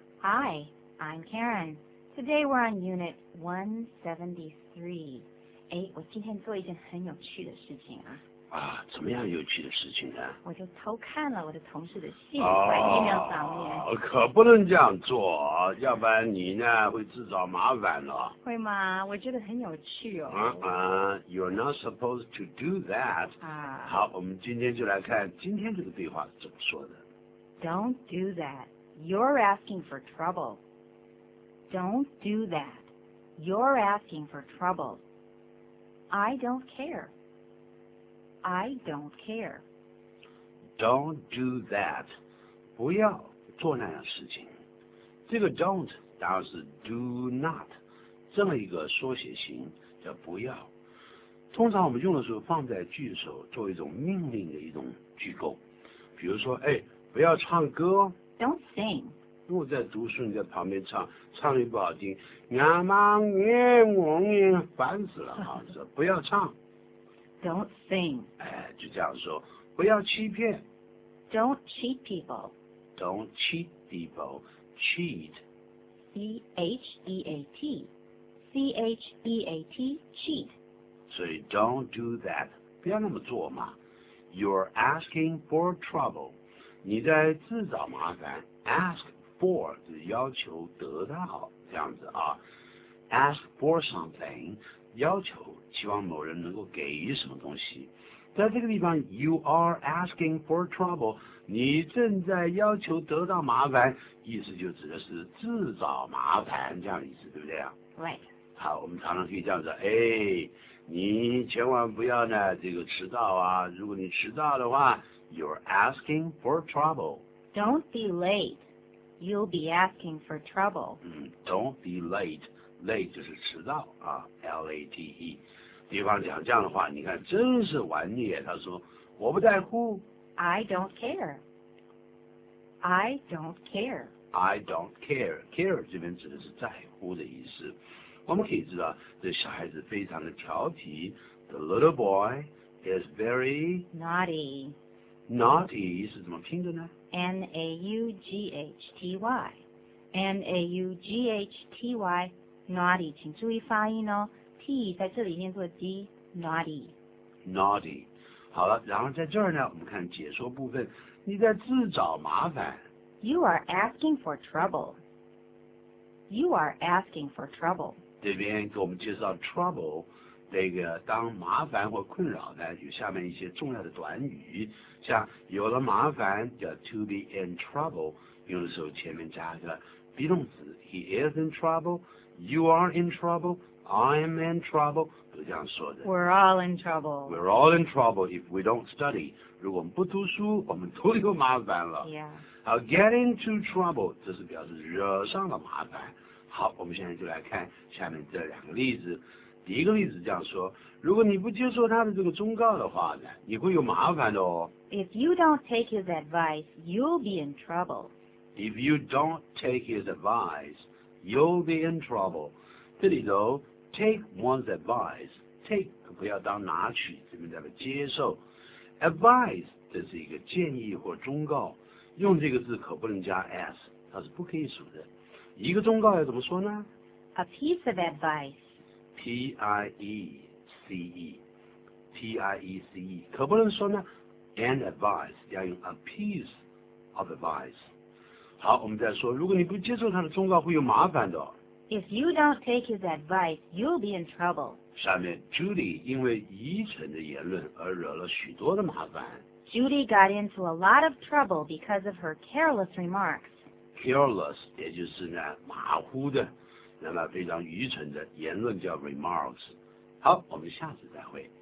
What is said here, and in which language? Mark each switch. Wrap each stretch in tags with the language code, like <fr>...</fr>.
<en>Hi, I'm Karen. Today we're on Unit 173.</en> <zh>诶，我今天做一件很有趣的事情啊。啊，怎么样有趣的事情呢？我就偷看了我的同事的信在 email 上面。可不能这样做，要不然你呢会自找麻烦了。会吗？我觉得很有趣哦。</zh> <en>You're not supposed to do that. 啊。</en> <zh>好，我们今天就来看今天这个对话怎么说的。</zh> <en>Don't do that. You're asking for trouble. Don't do that. You're asking for trouble. I don't care. I don't care. Don't do that.</en> <zh>不要做那样事情。这个 don't 当然是 do not 这么一个缩写型叫不要。通常我们用的时候放在句首做一种命令的一种句构。比如说，哎，不要唱歌。</zh> <en>Don't sing.</en> <zh>如果在读书，你在旁边唱，唱的不好听，娘妈念我念，烦死了啊！说不要唱。</zh> <en>Don't sing.</en> <zh>哎，就这样说，不要欺骗。</zh> <en>Don't cheat people. Don't cheat people. Cheat. C-H-E-A-T. C-H-E-A-T. Cheat.</en> <zh>所以</zh> <en>don't do that.</en> <zh>不要那么做嘛。</zh> <en>You're asking for trouble.</en> <zh>你在自找麻烦。 Ask for 就是要求得到这样子啊。</zh> <en>Ask for something.</en> <zh>要求希望某人能够给予什么东西，在这个地方</zh> <en>you are asking for trouble，</en> <zh>你正在要求得到麻烦，意思就指的是自找麻烦，这样的意思，对不对啊？对。好，我们常常可以这样子，哎，你千万不要呢这个迟到啊，如果你迟到的话</zh> <en>you're asking for trouble。 Don't be late, you'll be asking for trouble。 Don't be lateLate</en> <zh>就是迟到啊</zh> <en>，L-A-T-E。</en> <zh>比方讲这样的话，你看真是顽劣。他说我不在乎</zh> <en>，I don't care。 I don't care。 I don't care。</en> <zh>Care 这边指的是在乎的意思。我们可以知道，这小孩子非常的调皮。</zh> <en>The little boy is very naughty。</en> <zh>Naughty 是怎么拼的呢</zh> <en>？N-A-U-G-H-T-Y。 N-A-U-G-H-T-Y。</en> <zh>Naughty， 请注意发音哦。 T 在这里念作 D， naughty。 Naughty， 好了，然后在这儿呢，我们看解说部分。你在自找麻烦。</zh> <en>You are asking for trouble. You are asking for trouble.</en> <zh>这边给我们介绍 trouble， 这个当麻烦或困扰呢，有下面一些重要的短语，像有了麻烦叫 to be in trouble， 用的时候前面加一个 be 动词 ，</zh> <en>he is in trouble。 You are in trouble, I'm in trouble,</en> <zh>都这样说的。</zh> <en>We're all in trouble. We're all in trouble if we don't study.</en> <zh>如果我们不读书，我们都有麻烦了。</zh> <en>Yeah.</en> <zh>好 get into trouble, 这是表示惹上了麻烦。好，我们现在就来看下面这两个例子。第一个例子这样说，如果你不接受他的这个忠告的话呢，你会有麻烦的哦。</zh> <en>If you don't take his advice, you'll be in trouble. If you don't take his advice,You'll be in trouble.</en> <zh>这里头 take one's advice. Take 不要当拿取，这边代表接受。Advice 这是一个建议或忠告，用这个字可不能加 s， 它是不可以数的。一个忠告要怎么说呢</zh> <en>？A piece of advice. P-I-E-C-E. P-I-E-C-E.</en> <zh>可不能说呢 ，an advice 要用</zh> <en>a piece of advice.</en> <zh>好，我们再说，如果你不接受他的忠告，会有麻烦的。</zh> <en>If you don't take his advice, you'll be in trouble.</en> <zh>下面 ，Judy 因为愚蠢的言论而惹了许多的麻烦。</zh> <en>Judy got into a lot of trouble because of her careless remarks.</en> <zh>Careless 也就是呢马虎的，那么非常愚蠢的言论叫 remarks。好，我们下次再会。</zh>